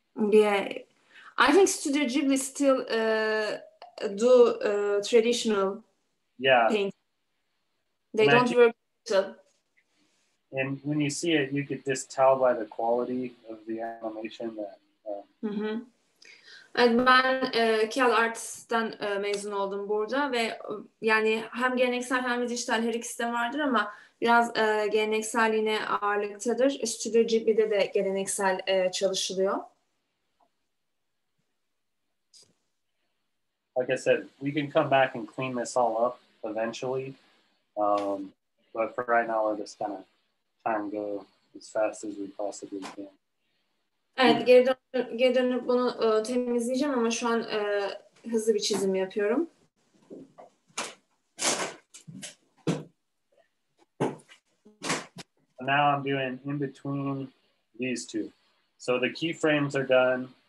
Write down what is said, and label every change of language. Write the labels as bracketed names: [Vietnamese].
[English] Yeah, I think Studio Ghibli still do traditional. Yeah. Painting. They don't work digital. And when you see it, you could just tell by the quality of the animation that. Hı hı. [Turkish] Ben CalArts'tan mezun oldum burada ve yani hem geleneksel hem dijital her ikisi de vardır ama. Biraz geleneksel yine ağırlıktadır. Studio Ghibli'de de geleneksel çalışılıyor. [English] Like I said, we can come back and clean this all up eventually. But for right now, we're just gonna try and go as fast as we possibly can. [Turkish] Evet, geri dönüp bunu temizleyeceğim ama şu an hızlı bir çizim yapıyorum. [English] Now I'm doing in between these two. So the keyframes are done.